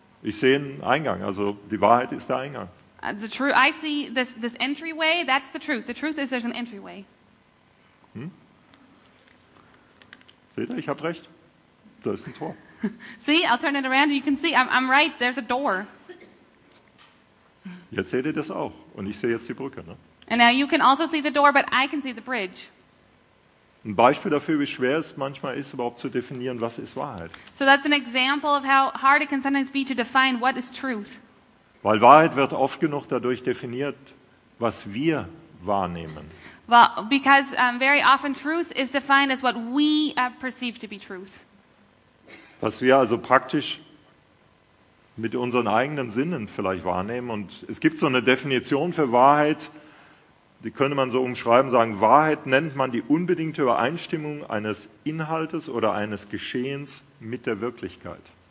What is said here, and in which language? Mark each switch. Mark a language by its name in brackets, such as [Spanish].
[German] Ich sehe einen Eingang, also die Wahrheit ist der Eingang. [English] I see this entryway, that's the truth. The truth is there's an entryway. [German] Seht ihr, ich habe recht. Da ist ein Tor. [English] See, I'll turn it around and you can see, I'm right, there's a door. [German] Jetzt seht ihr das auch und ich sehe jetzt die Brücke. Ne? [English] And now you can also see the door, but I can see the bridge. [German] Ein Beispiel dafür, wie schwer es manchmal ist, überhaupt zu definieren, was ist Wahrheit. [English] So that's an example of how hard it can sometimes be to define what is truth. [German] Weil Wahrheit wird oft genug dadurch definiert, was wir wahrnehmen. [English] Well, because very often truth is defined as what we perceive to be truth. [German] Was wir also praktisch mit unseren eigenen Sinnen vielleicht wahrnehmen. Und es gibt so eine Definition für Wahrheit, Die könnte man so umschreiben, sagen, Wahrheit nennt man die unbedingte Übereinstimmung eines Inhaltes oder eines Geschehens mit der Wirklichkeit.